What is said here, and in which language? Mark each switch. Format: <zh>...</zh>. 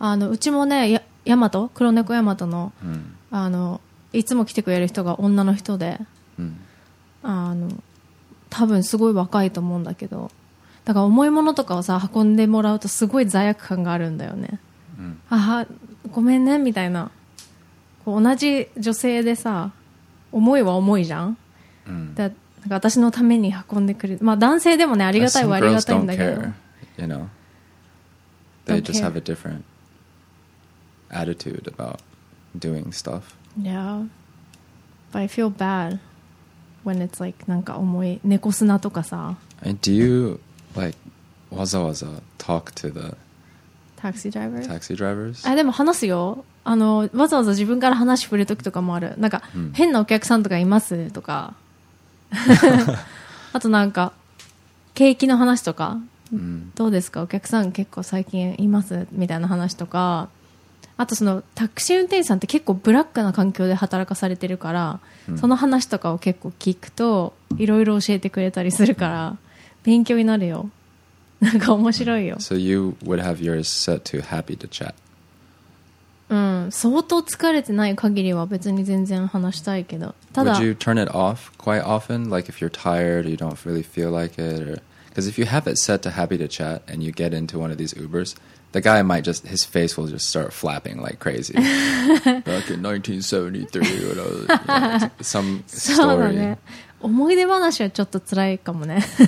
<ja>うちもね、ヤマト、黒猫ヤマトの、いつも来てくれる人が女の人で、多分すごい若いと思うんだけど、だから重いものとかをさ、運んでもらうとすごい罪悪感があるんだよね。ごめんねみたいな。こう同じ女性でさ、思いは思いじゃん。だなんか私のために運んでくれる、まあ男性でもね、ありがたいはありがたいんだけど。</ja> <en>Some girls don't care, you know. They just have a different attitude about doing stuff. Yeah. But I feel bad when it's like</en> <ja>なんか重い猫砂とかさ。</ja> <en>And do you like</en> <ja>わざわざ</ja> <en>talk to the Taxi drivers?</en> <ja>でも話すよ。わざわざ自分から話振るときとかもある。なんか、変なお客さんとかいますとか。あとなんか、景気の話とか。どうですかお客さん結構最近いますみたいな話とか。あとそのタクシー運転手さんって結構ブラックな環境で働かされてるから、うん、その話とかを結構聞くといろいろ教えてくれたりするから勉強になるよ。なんか面白いよ。</ja> <en>So you would have yours set to happy to chat。</en> <ja>うん、相当疲れてない限りは別に全然話したいけど、ただ</ja> <en>Would you turn it off quite often? Like if you're tired or you don't really feel like it or... Because if you have it set to happy to chat and you get into one of these Ubers, the guy might just, his face will just start flapping like crazy. Back in 1973, you know, some story.</en> <ja>そうだね。思い出話はちょっと辛いかもね。</ja>